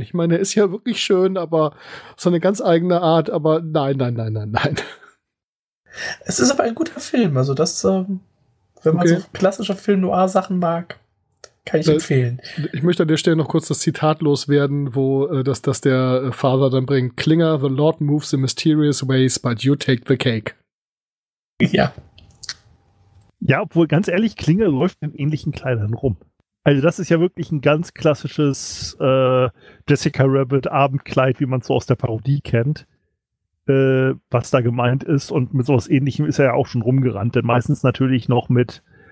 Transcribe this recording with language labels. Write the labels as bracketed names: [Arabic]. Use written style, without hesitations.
[German] Ich meine, er ist ja wirklich schön, aber so eine ganz eigene Art. Aber nein, nein, nein, nein, nein. Es ist aber ein guter Film. Also das, wenn man so klassische Film-Noir-Sachen mag. Kann ich empfehlen. Ich möchte an der Stelle noch kurz das Zitat loswerden, wo das der Vater dann bringt. [English] Klinger, the Lord moves in mysterious ways, but you take the cake. [German] Ja. Ja, obwohl ganz ehrlich, Klinger läuft in ähnlichen Kleidern rum. Also das ist ja wirklich ein ganz klassisches Jessica Rabbit Abendkleid, wie man es so aus der Parodie kennt, was da gemeint ist. Und mit sowas Ähnlichem ist er ja auch schon rumgerannt. Denn meistens natürlich noch mit